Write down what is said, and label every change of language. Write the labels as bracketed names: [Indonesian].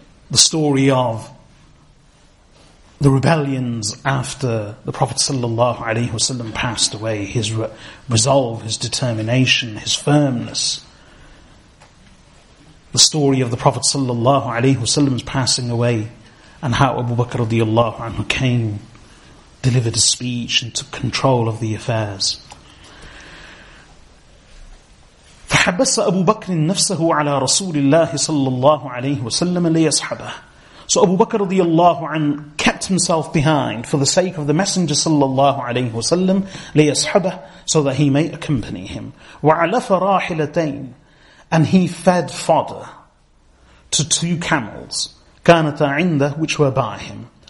[English] The story of the rebellions after the Prophet sallallahu alaihi wasallam passed away, his resolve, his determination, his firmness. The story of the Prophet sallallahu alaihi wasallam's passing away, and how Abu Bakr radiallahu anhu came, delivered a speech and took control of the affairs. [Arabic] فحبس أبو بكر نفسه على رسول الله صلى الله عليه وسلم ليصحبه. [English] So Abu Bakr radiallahu anhu kept himself behind for the sake of the Messenger sallallahu alaihi wasallam, ليصحبه, so that he may accompany him. [Arabic] وعلف راحلتين, [English] and he fed fodder to two camels, [Arabic] كانت عنده, [English] which were by him.